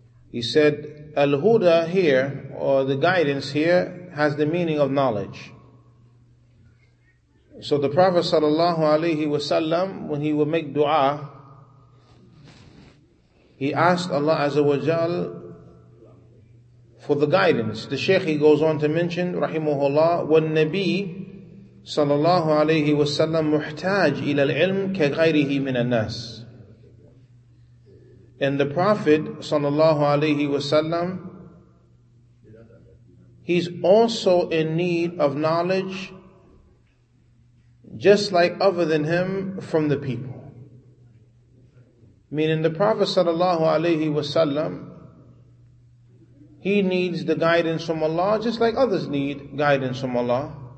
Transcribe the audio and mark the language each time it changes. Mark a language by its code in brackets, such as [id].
[en] He said, al-huda here, or the guidance here, has the meaning of knowledge. So the Prophet sallallahu alayhi wa sallam, when he would make dua, he asked Allah Azza wa Jal for the guidance. The Shaykh, he goes on to mention, rahimahullah, [ar] وَالنَّبِي صَلَى اللَّهُ عَلَيْهِ وَسَلَّمُ مُحْتَاج إِلَى الْعِلْمِ كَغَيْرِهِ مِنَ النَّاسِ. [en] And the Prophet, sallallahu alayhi wasallam, he's also in need of knowledge, just like other than him, from the people. Meaning the Prophet sallallahu alayhi wasallam, he needs the guidance from Allah just like others need guidance from Allah.